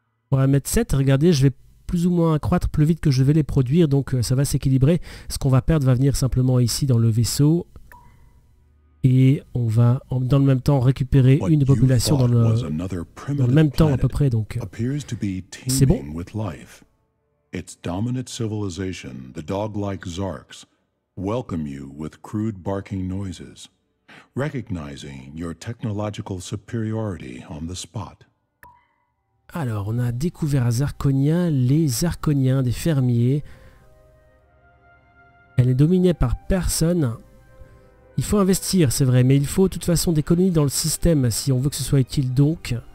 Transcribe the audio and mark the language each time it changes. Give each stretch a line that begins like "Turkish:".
French: On va mettre 7. Regardez, je vais plus ou moins accroître plus vite que je vais les produire. Donc ça va s'équilibrer. Ce qu'on va perdre va venir simplement ici dans le vaisseau. Et on va dans le même temps récupérer une population dans le même temps à peu près. Donc c'est bon.
English: Its dominant civilization, the dog-like Zarks, welcome you with crude barking noises. Recognizing your technological superiority on the spot.
French: Alors, on a découvert à Zarconia les Zarconiens, des fermiers. Elle est dominée par personne. Il faut investir, c'est vrai, mais il faut de toute façon des colonies dans le système si on veut que ce soit utile, donc.